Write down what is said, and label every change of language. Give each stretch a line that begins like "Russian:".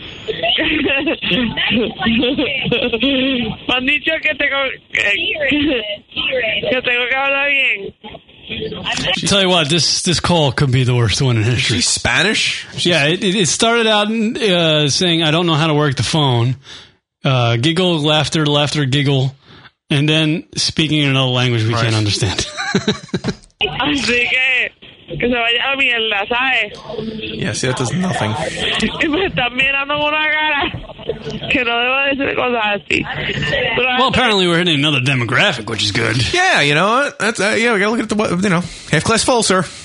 Spanish: Me han dicho que tengo que hablar bien.
English: I'll tell you what, this call could be the worst one in history. She's Spanish? Yeah, it started out saying, I don't know how to work the phone. Giggle, laughter, laughter, giggle. And then speaking in another language we can't understand.
Spanish: Así que, se vaya a mierda, ¿sabes?
English: Yeah, see, that does nothing.
Spanish: Y me están mirando con una cara que no debo decir cosas así.
English: Well, apparently we're hitting another demographic, which is good. Yeah, you know what? That's, yeah, we gotta look at the, you know, half class full, sir.